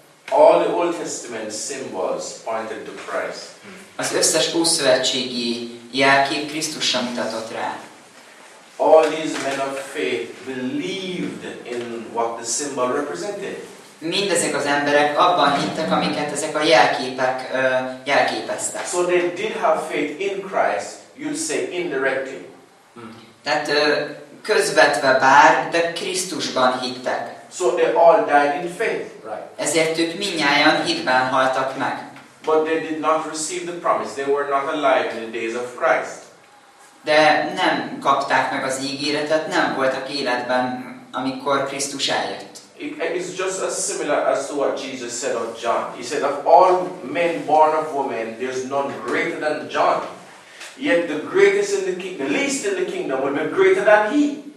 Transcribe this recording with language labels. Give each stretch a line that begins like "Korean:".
English: All the Old Testament symbols pointed to Christ.
Hungarian: Az összes ószövetségi jelkép Krisztusra mutatott rá.
English: All these men of faith believed in what the symbol represented.
Hungarian: Mindezek az emberek abban hittek, amiket ezek a jelképek jelképeztek.
English: So they did have faith in Christ, you'd say indirectly.
Hungarian: Tehát közvetve bár, de Krisztusban hittek.
English: So they all died in faith, right?
Hungarian: Ezért ők mindnyájan hitben haltak meg.
English: But they did not receive the promise. They were not alive in the days of Christ.
Hungarian: De nem kapták meg az ígéretet, nem voltak életben, amikor Krisztus eljött.
English: It's just as similar as to what Jesus said of John. He said, of all men born of women, there's none greater than John. Yet the greatest in the kingdom, the least in the kingdom, will be greater than he.